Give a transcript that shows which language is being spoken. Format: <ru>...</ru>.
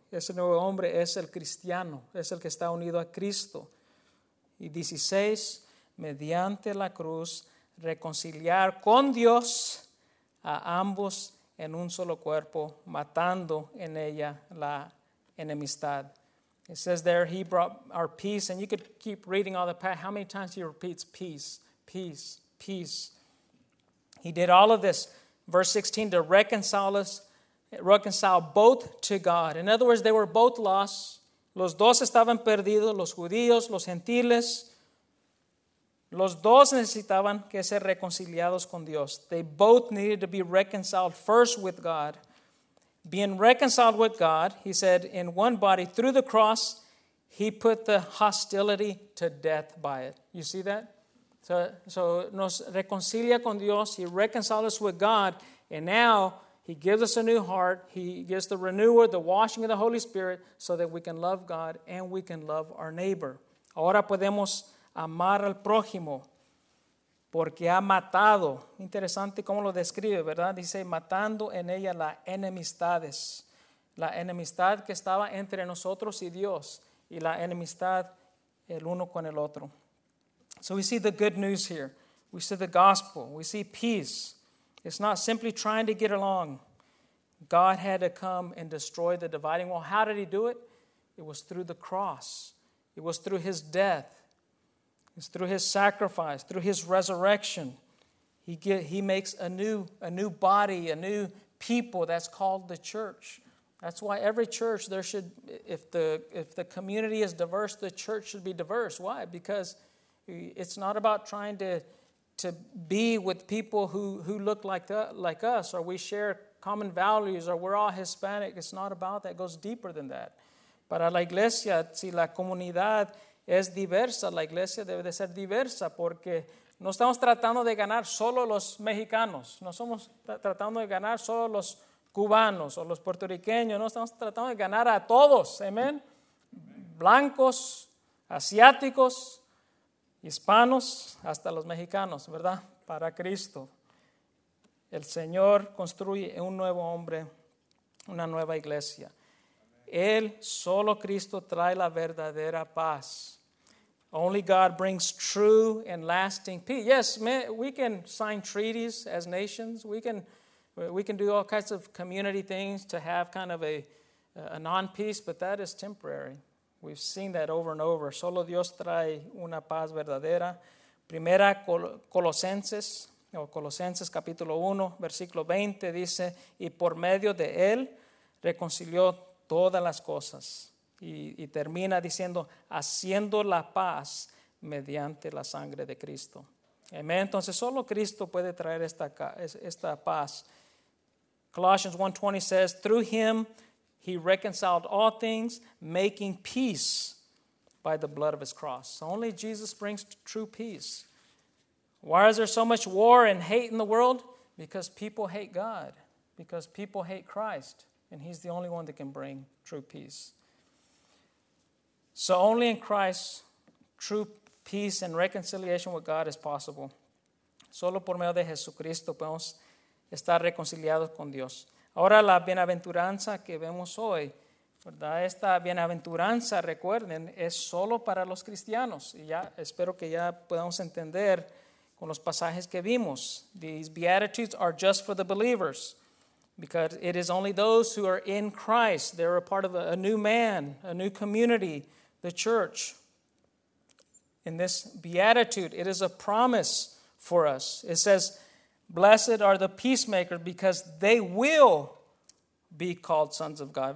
<es>Ese nuevo hombre es el cristiano, es el que está unido a Cristo. Y 16, mediante la cruz, reconciliar con Dios a ambos en un solo cuerpo, matando en ella la enemistad.</es> <en>It says there, he brought our peace, and you could keep reading all the past. How many times he repeats peace, peace, peace. He did all of this, verse 16, to reconcile us, reconcile both to God. In other words, they were both lost.</en> <es>Los dos estaban perdidos, los judíos, los gentiles. Los dos necesitaban que ser reconciliados con Dios.</es> <en>They both needed to be reconciled first with God. Being reconciled with God, he said, in one body, through the cross, he put the hostility to death by it. You see that? So</en> <es>nos reconcilia con Dios.</es> <en>He reconciled us with God. And now, He gives us a new heart. He gives the renewer, the washing of the Holy Spirit, so that we can love God and we can love our neighbor.</en> <es>Ahora podemos amar al prójimo porque ha matado. Interesante cómo lo describe, ¿verdad? Dice, matando en ella las enemistades. La enemistad que estaba entre nosotros y Dios y la enemistad el uno con el otro.</es> <en>So we see the good news here. We see the gospel. We see peace. It's not simply trying to get along. God had to come and destroy the dividing wall. How did he do it? It was through the cross. It was through his death. It's through his sacrifice, through his resurrection. He makes a new body, a new people that's called the church. That's why every church, there should, if the community is diverse, the church should be diverse. Why? Because it's not about trying to be with people who look like us, or we share common values, or we're all Hispanic. It's not about that. It goes deeper than that.</en> <es>Para la iglesia, si la comunidad es diversa, la iglesia debe de ser diversa, porque no estamos tratando de ganar solo los mexicanos. No somos tratando de ganar solo los cubanos o los puertorriqueños. No estamos tratando de ganar a todos. Amen. Blancos, asiáticos, hispanos, hasta los mexicanos, ¿verdad? Para Cristo. El Señor construye un nuevo hombre, una nueva iglesia. Él, solo Cristo, trae la verdadera paz.</es> <en>Only God brings true and lasting peace. Yes, we can sign treaties as nations. We can do all kinds of community things to have kind of a non-peace, but that is temporary. We've seen that over and over.</en> <es>Solo Dios trae una paz verdadera. Primera Colosenses, o Colosenses capítulo 1, versículo 20, dice, y por medio de él reconcilió todas las cosas. Y termina diciendo, haciendo la paz mediante la sangre de Cristo. Amén. Entonces, solo Cristo puede traer esta paz.</es> <en>Colossians 1:20 says, through him he reconciled all things, making peace by the blood of his cross. Only Jesus brings true peace. Why is there so much war and hate in the world? Because people hate God. Because people hate Christ. And he's the only one that can bring true peace. So only in Christ, true peace and reconciliation with God is possible.</en> <es>Solo por medio de Jesucristo podemos estar reconciliados con Dios. Ahora la bienaventuranza que vemos hoy, ¿verdad? Esta bienaventuranza, recuerden, es solo para los cristianos. Y ya espero que ya podamos entender con los pasajes que vimos.</es> <en>These beatitudes are just for the believers, because it is only those who are in Christ. They are a part of a new man, a new community, the church. In this beatitude, it is a promise for us. It says, blessed are the peacemakers because they will be called sons of God.</en>